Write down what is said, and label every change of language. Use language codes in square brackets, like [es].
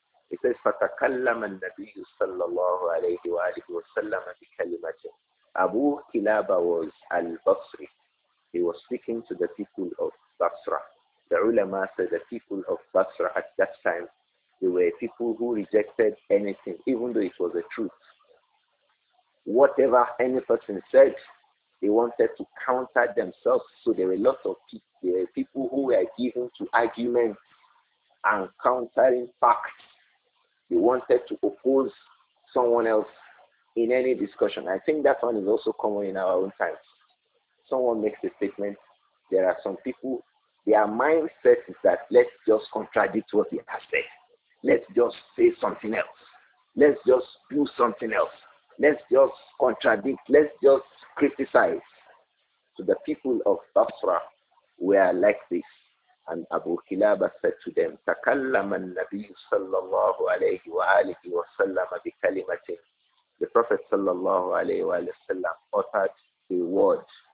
[en] He says, [ar] فَتَكَلَّمَ النَّبِيُّ صَلَّى اللَّهُ عَلَيْهِ وَآلِهِ وَسَلَّمَ بِكَلِمَةٍ. [en] Abu Kilaba was al-Basri. He was speaking to the people of Basra. The ulama said the people of Basra at that time, they were people who rejected anything, even though it was the truth. Whatever any person said, they wanted to counter themselves. So there were lots of people who were given to arguments and countering facts. They wanted to oppose someone else in any discussion. I think that one is also common in our own times. Someone makes a statement. There are some people, their mindset is that let's just contradict what he has said. Let's just say something else. Let's just do something else. Let's just contradict. Let's just criticize. So the people of Basra were like this. And Abu Kilaba said to them, [ar] تَكَلَّمَ النَّبِيُّ صَلَّى اللَّهُ عَلَيْهِ وَآلِهِ وَسَلَّمَ بِكَلِمَةٍ. [en] The Prophet صَلَّى اللَّهُ عَلَيْهِ وَسَلَّمَ uttered a word.